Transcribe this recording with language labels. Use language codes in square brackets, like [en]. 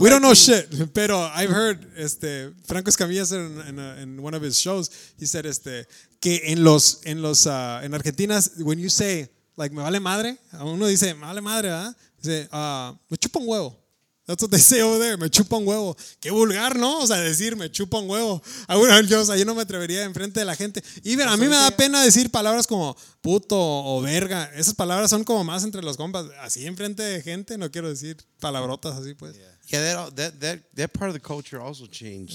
[en] we don't know shit, pero I've heard este Franco Escamilla said in one of his shows, he said este [es] que en los en [en] Argentina, when you say like [es] me vale madre, uno dice me vale madre, ¿verdad? Dice, me chupa un huevo. [en] That's what they say over there. [es] Me chupa un huevo. Qué vulgar, ¿no? O sea, decir me chupa un huevo. Yo no me atrevería enfrente de la gente. Even, a mí me da pena decir palabras como puto o verga. Esas palabras son como más entre los compas. Así enfrente de gente, no quiero decir palabrotas así, pues. [en] Yeah, that part of the culture also changed.